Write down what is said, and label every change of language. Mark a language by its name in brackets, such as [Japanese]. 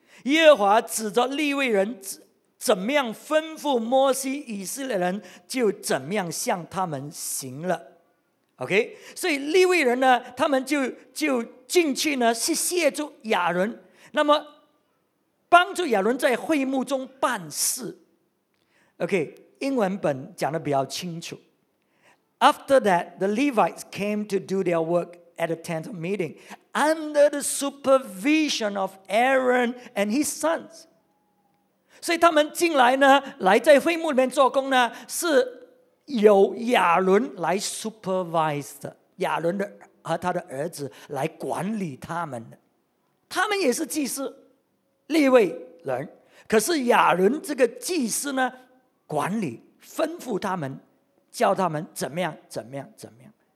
[Chinese] 耶和华指着利未人怎么样吩咐摩西，以色列人就怎么样向他们行了。 OK， 所以利未人呢他们 就进去呢是协助亚伦，那么帮助亚伦在会幕中办事。 OK，英文本讲得比较清楚。 [English] After that, the Levites came to do their work at the tent of meeting under the supervision of Aaron and his sons. [Chinese] 所以他们进来呢，来在会幕里面做工呢，是由亚伦来 supervise 的，亚伦的和他的儿子来管理他们的。他们也是祭司，立位人，可是亚伦这个祭司呢，管理吩咐他们，叫他们怎么样怎么样怎么样。